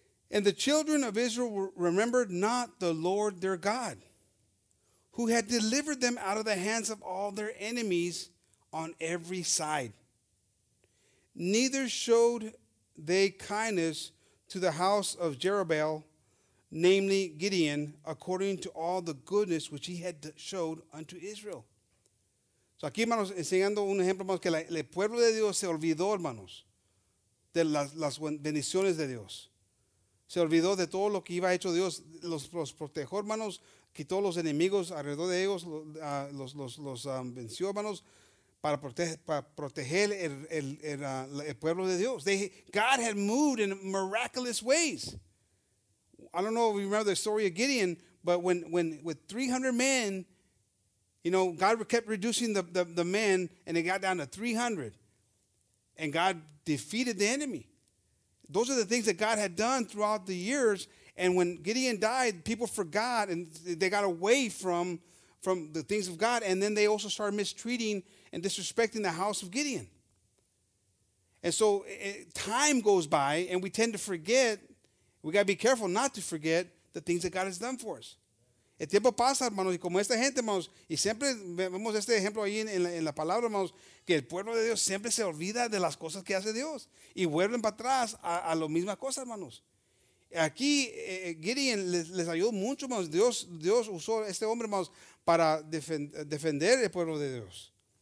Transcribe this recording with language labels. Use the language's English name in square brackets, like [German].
[English] And the children of Israel remembered not the Lord their God, who had delivered them out of the hands of all their enemies on every side. Neither showed they kindness to the house of Jerubbaal, namely Gideon, according to all the goodness which he had showed unto Israel. [Spanish] So aquí, hermanos, enseñando un ejemplo, hermanos, que el pueblo de Dios se olvidó, hermanos, de las bendiciones de Dios. Se olvidó de todo lo que iba hecho Dios. Los protejó, hermanos, quitó los enemigos alrededor de ellos, los venció, hermanos, para proteger el pueblo de Dios. [English] God had moved in miraculous ways. I don't know if you remember the story of Gideon, but when with 300 men, you know, God kept reducing the men, and it got down to 300. And God defeated the enemy. Those are the things that God had done throughout the years. And when Gideon died, people forgot and they got away from the things of God. And then they also started mistreating and disrespecting the house of Gideon. And so time goes by and we tend to forget. We got to be careful not to forget the things that God has done for us. [Spanish] El tiempo pasa, hermanos, y como esta gente, hermanos, y siempre vemos este ejemplo ahí en la palabra, hermanos, que el pueblo de Dios siempre se olvida de las cosas que hace Dios y vuelven para atrás a las mismas cosas, hermanos. Aquí Gideon les ayudó mucho, hermanos. Dios usó a este hombre, hermanos, para defender el pueblo de Dios.